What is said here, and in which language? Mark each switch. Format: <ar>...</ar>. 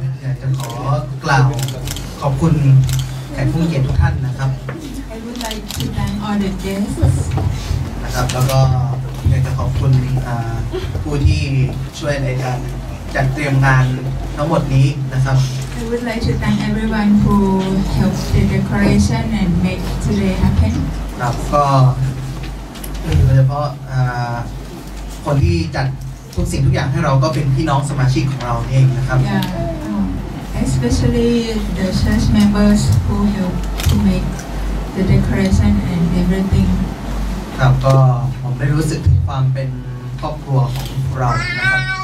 <th>ราขอบคุณแขกผู้เกียรติทุกท่านนะครับ</th> <en>I would like to thank all the guests</en> <th>นะครับแล้วก็อยากจะขอบคุณผู้ที่ช่วยในการจัดเตรียมงานทั้งหมดนี้นะครับ</th> <en>I would like to thank everyone who helped the decoration and make today happen</en> <th>ครับก็โดยเฉพาะคนที่จัดทุกสิ่งทุกอย่างให้เราก็เป็นพี่น้องสมาชิกของเราเองนะครับ yeah.</th> <en>Especially the church members who help to make the decoration and everything</en> <th>ครับก็ผมได้รู้สึกถึงความเป็นครอบครัวของเรานะครับ</th>